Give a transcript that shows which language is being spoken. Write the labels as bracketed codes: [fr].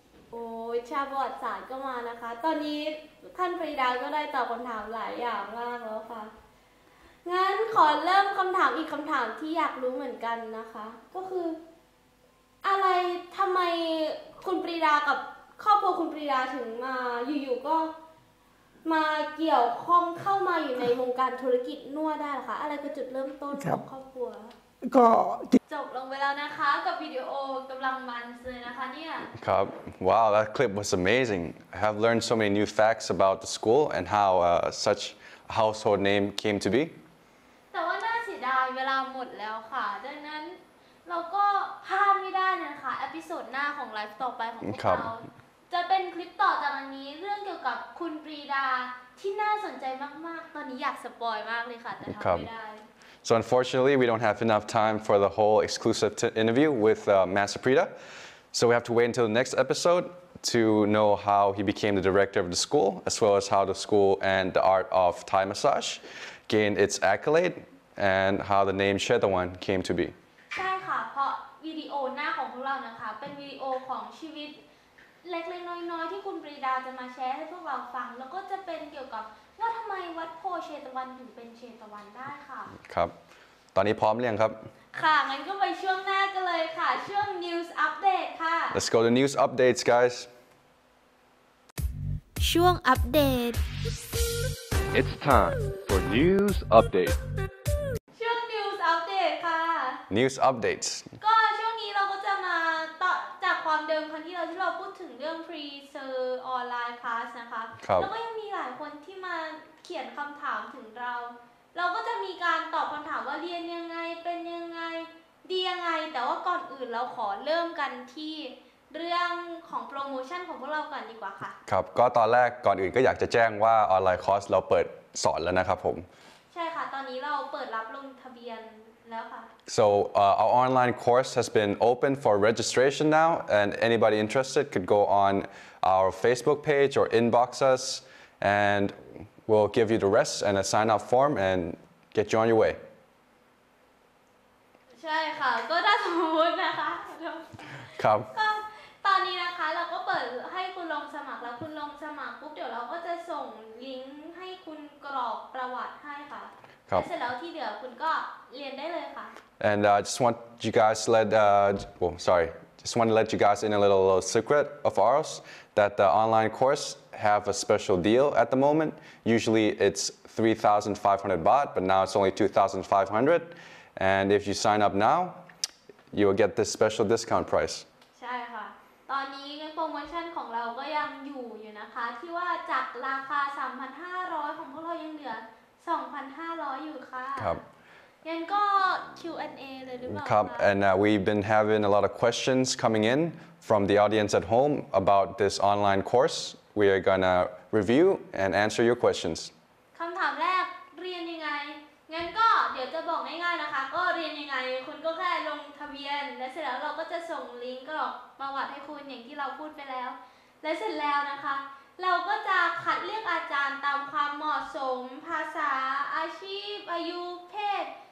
[th] โอ้ยชาบอดศาสตร์ก็มานะคะตอนนี้ท่านปรีดาก็ได้ตอบคำถามหลายอย่างมากแล้วค่ะงั้นขอเริ่มคำถามอีกคำถามที่อยากรู้เหมือนกันนะคะก็คืออะไรทำไมคุณปรีดากับครอบครัวคุณปรีดาถึงมาอยู่ๆก็มาเกี่ยวข้องเข้ามาอยู่ในวงการธุรกิจนวดได้หรอคะอะไรคือจุดเริ่มต้นของครอบครัว ก็ จบลงไปแล้วนะคะกับวิดีโอกำลังมันเลยนะคะเนี่ย ครับ [en] Wow that clip was amazing I have learned so many new facts about the school and how such household name came to be [th] แต่ว่าน่าเสียดายเวลาหมดแล้วค่ะดังนั้นเราก็พลาดไม่ได้นะคะเอพิโซดหน้าของไลฟ์ต่อไปของพวกเราจะเป็นคลิปต่อจากอันนี้เรื่องเกี่ยวกับคุณปรีดาที่น่าสนใจมากๆตอนนี้อยากสปอยมากเลยค่ะแต่ทำไม่ได้ [en] So unfortunately we don't have enough time for the whole exclusive interview with Master Prida so we have to wait until the next episodeto know how he became the director of the school, as well as how the school and the art of Thai massage gained its accolade, and how the name Chetawan came to be. [th] ใช่ค่ะเพราะวิดีโอหน้าของพวกเรานะคะเป็นวิดีโอของชีวิตเล็กๆน้อยๆที่คุณปรีดาจะมาแชร์ให้พวกเราฟังแล้วก็จะเป็นเกี่ยวกับว่าทำไมวัดโพเชตวันถึงเป็นเชตวันได้ค่ะ ครับตอนนี้พร้อมหรือยังครับ ค่ะงั้นก็ไปช่วงหน้ากันเลยค่ะช่วง news update ค่ะ [en] Let's go to news updates guys [th] ช่วงอัปเดต [en] It's time for news update [th] ช่วง news update ค่ะ [en] news updates [th] ก็ช่วงนี้เราก็จะมาต่อจากความเดิมครั้งที่เราพูดถึงเรื่อง pre-serve online class นะคะ ครับ แล้วก็ยังมีหลายคนที่มาเขียนคำถามถึงเรา เราก็จะมีการตอบคำถามว่าเรียนยังไงเป็นยังไงดียังไงแต่ว่าก่อนอื่นเราขอเริ่มกันที่เรื่องของโปรโมชั่นของพวกเราก่อนดีกว่าค่ะ ครับก็ตอนแรกก่อนอื่นก็อยากจะแจ้งว่าออนไลน์คอร์สเราเปิดสอนแล้วนะครับผม ใช่ค่ะตอนนี้เราเปิดรับลงทะเบียนแล้วค่ะ [en] So our online course has been open for registration now and anybody interested could go on our Facebook page or inbox us andWe'll give you the rest and a sign-up form and get you on your way. [th] ใช่ค่ะก็ถ้าสมมตินะคะ ครับ ก็ตอนนี้นะคะเราก็เปิดให้คุณลงสมัครแล้วคุณลงสมัครปุ๊บเดี๋ยวเราก็จะส่งลิงก์ให้คุณกรอกประวัติให้ค่ะ ครับ เสร็จแล้วที่เหลือคุณก็เรียนได้เลยค่ะ [en] And I just want you guys let just want to let you guys in a little secret of ours that the online course have a special deal at the moment. Usually it's 3,500 baht, but now it's only 2,500. And if you sign up now, you will get this special discount price. [th] ใช่ค่ะตอนนี้โปรโมชั่นของเราก็ยังอยู่นะคะที่ว่าจากราคา 3,500 ของพวกเรายังเหลือ 2,500 อยู่ค่ะ ครับ งั้นก็ Q&A เลยหรือเปล่า ครับ [en] and we've been having a lot of questions coming in from the audience at home about this online course we are gonna review and answer your questions [th] คำถามแรกเรียนยังไงงั้นก็เดี๋ยวจะบอกง่ายๆนะคะก็เรียนยังไงคุณก็แค่ลงทะเบียนและเสร็จแล้วเราก็จะส่งลิงก์กรอกประวัติให้คุณอย่างที่เราพูดไปแล้วและเสร็จแล้วนะคะเราก็จะคัดเลือกอาจารย์ตามความเหมาะสมภาษาอาชีพอายุเพศ